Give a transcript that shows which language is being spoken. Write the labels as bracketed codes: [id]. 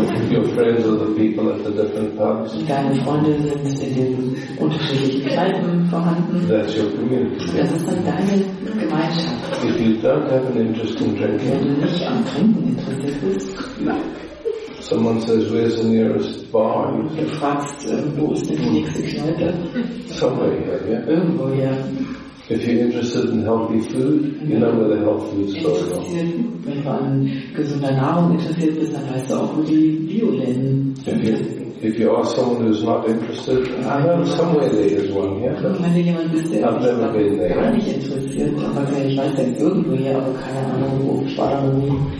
[en] Your friends are the people at the different pubs. That's your community. If you don't have an interest in drinking, someone says, where's the nearest bar? [de] Du fragst, wo ist denn die nächste Kneipe? [en] Somewhere here, yeah. [de] Irgendwo, ja. [en] If you're interested in healthy food, you know where the health food store is. [de] Wenn du an gesunder Nahrung interessiert bist, dann weißt du auch, wo die Bioläden sind. [en] If you ask someone who's not interested, I know somewhere there is one, yeah. [de] Und wenn du jemand bist, der sich gar nicht interessiert, aber okay, ich weiß, der ist irgendwo hier, aber keine Ahnung, wo ich war, wo ich.